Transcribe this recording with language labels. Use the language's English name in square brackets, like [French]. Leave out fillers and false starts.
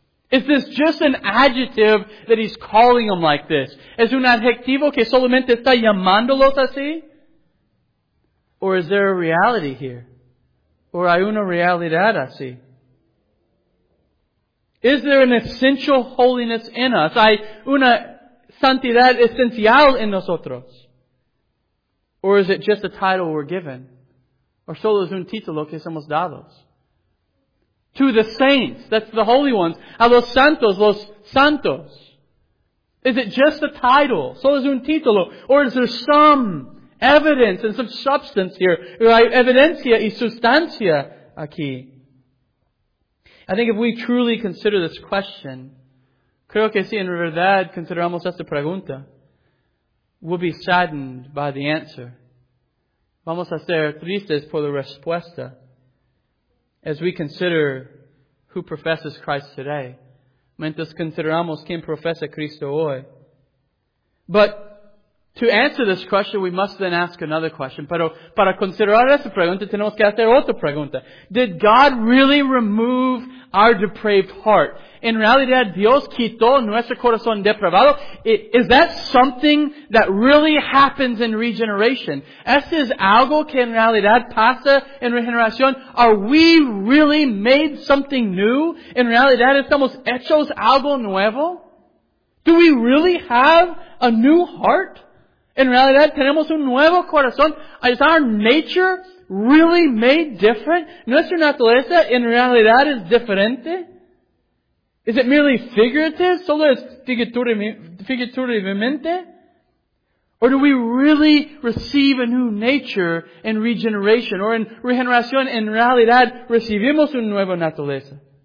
[English] Is this just an adjective that he's calling them like this? [Spanish] ¿Es un adjetivo que solamente está llamándolos así? [English] Or is there a reality here? ¿Or [Spanish] hay una realidad así? [English] Is there an essential holiness in us? [Spanish] ¿Hay una santidad esencial en nosotros? [English] Or is it just a title we're given? [Spanish] ¿O solo es un título que somos dados? [English] To the saints, that's the holy ones. [Spanish] A los santos. [English] Is it just a title? [Spanish] ¿Solo es un título? [English] Or is there some evidence and some substance here? [Spanish] ¿Hay evidencia y sustancia aquí? [English] I think if we truly consider this question, [Spanish] creo que si en verdad consideramos esta pregunta, [English] we'll be saddened by the answer. [Spanish] Vamos a ser tristes por la respuesta [English] as we consider who professes Christ today. [Spanish] Mientras consideramos quién profesa Cristo hoy. [English] But to answer this question, we must then ask another question. [Spanish] Pero para considerar esa pregunta, tenemos que hacer otra pregunta. [English] Did God really remove our depraved heart? [Spanish] En realidad, Dios quitó nuestro corazón depravado. [English] Is that something that really happens in regeneration? [Spanish] ¿Eso es algo que en realidad pasa en regeneración? [English] Are we really made something new? [Spanish] En realidad, estamos hechos algo nuevo? [English] Do we really have a new heart? [Spanish] En realidad, tenemos un nuevo corazón. [English] Is our nature really made different? [Spanish] Nuestra naturaleza en realidad es diferente. [English] Is it merely figurative? [Spanish] Solo es figurativamente? [English] Or do we really receive a new nature in regeneration? [Spanish] Or in regeneración, en realidad, recibimos una nueva naturaleza?